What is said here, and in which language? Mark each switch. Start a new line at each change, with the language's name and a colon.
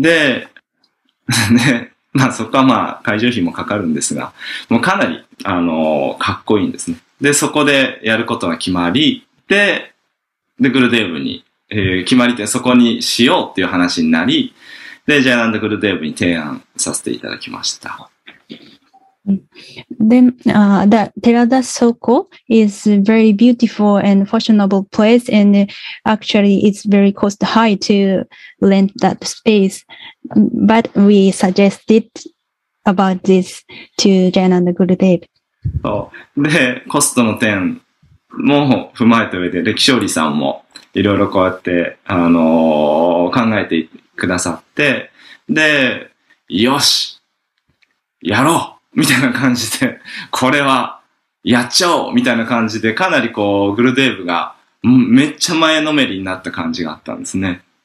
Japanese: で、ね、まあそこはまあ会場費もかかるんですが、もうかなり、かっこいいんですね。で、そこでやることが決まり、で、グルデーブに、決まりてそこにしようっていう話になり、で、ジャイナンド・グルデーブに提案させていただきました。
English: Then the Terada Soko is a very beautiful and fashionable place, and actually it's very cost high to rent that space. But we suggested about this to Jayananda Gurudev.
Japanese: そう。で、コストの点も踏まえた上で、歴勝利さんもいろいろこうやって、考えてくださって、で、よし、やろうみたいな感じで、これはやっちゃおうみたいな感じで、かなりこう、グルデーブがめっちゃ前のめりになった感じがあったんですね。